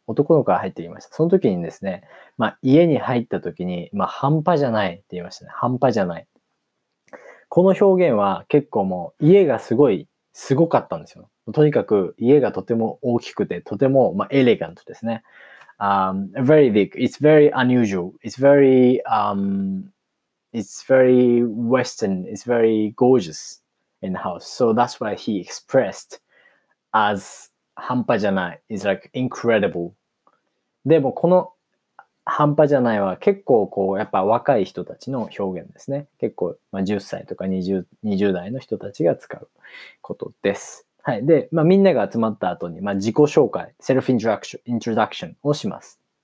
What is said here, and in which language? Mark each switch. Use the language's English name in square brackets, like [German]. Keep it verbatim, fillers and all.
[Japanese] 男の子が入ってきました。その時にですね、まあ、家に入った時に、まあ、半端じゃないって言いましたね。半端じゃない。この表現は結構もう、家がすごい、すごかったんですよ。とにかく、家がとても大きくて、とても、まあ、エレガントですね。 [English] Um, very big. It's very unusual. It's very, um, it's very Western. It's very gorgeous in the house. So that's why he expressed as [Japanese] 半端じゃない [English] is like incredible。 [Japanese] でもこの半端じゃないは結構こうやっぱ若い人たちの表現ですね。結構、まあ、じゅっさいとか 20, 20代の人たちが使うことです。はい。で、まあ、みんなが集まった後に、まあ、自己紹介、セルフイントロダクションイントロダクションをします。